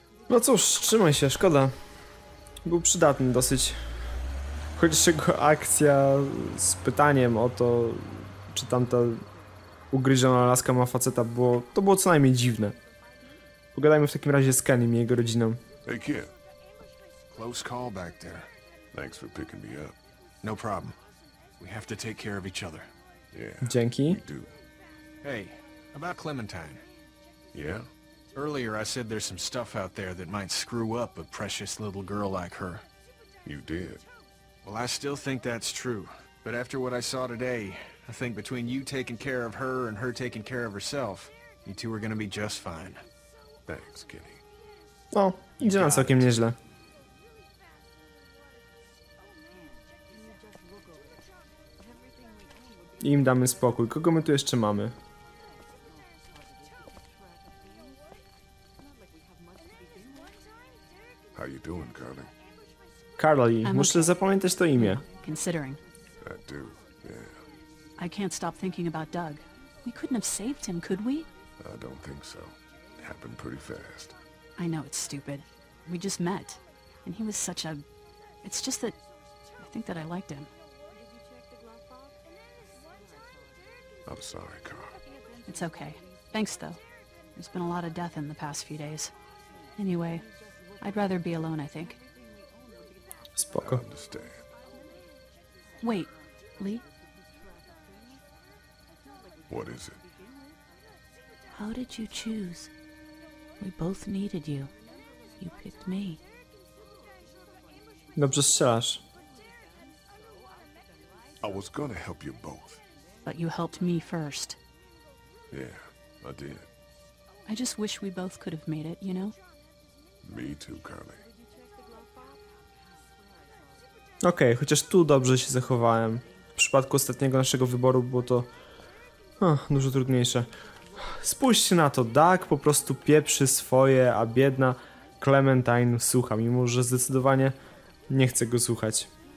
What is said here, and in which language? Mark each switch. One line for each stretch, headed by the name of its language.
Polish: No cóż, trzymaj się, szkoda. Był przydatny dosyć. Choć jego akcja z pytaniem o to, czy tamta ugryziona laska ma faceta, było, to było co najmniej dziwne. Pogadajmy w takim razie z Kennym i jego rodziną.
English: Hey kid. Close call back there. Thanks for picking me up. No problem. We have to take care of each other. Yeah.
Polish: Dzięki.
English: We do. Hey, about Clementine. Yeah? Earlier I said there's some stuff out there that might screw up a precious little girl like her. You did. Well, I still think that's true. But after what I saw today, I think between you taking care of her and her taking care of herself, you two are gonna be just fine. Thanks, Kenny.
Polish: Well, idzie nam całkiem nieźle. Im damy spokój. Kogo my tu jeszcze mamy?
English: How you doing, Carly?
Polish: Carly, muszę zapamiętać to imię.
English: Considering. I do. Yeah. I can't stop thinking about Doug. We couldn't have saved him, could we? I don't think so. It happened pretty fast. I know it's stupid. We just met, and he was such a. It's just that I think that I liked him. I'm sorry, Carl. It's okay. Thanks, though. There's been a lot of death in the past few days. Anyway, I'd rather be alone, I think.
Polish: Spoko.
English: I understand. Wait, Lee? What is it? How did you choose? We both needed you. You picked me.
Polish: Dobrze strzelasz.
English: I was gonna help you both. But you helped me first. Yeah, I did. I just wish we both could have made it, you know? Me too, Carly.
Polish: Okej, chociaż tu dobrze się zachowałem. W przypadku ostatniego naszego wyboru było to dużo trudniejsze. Spójrzcie na to, Doug po prostu pieprzy swoje, a biedna Clementine słucha, mimo że zdecydowanie nie chce go słuchać.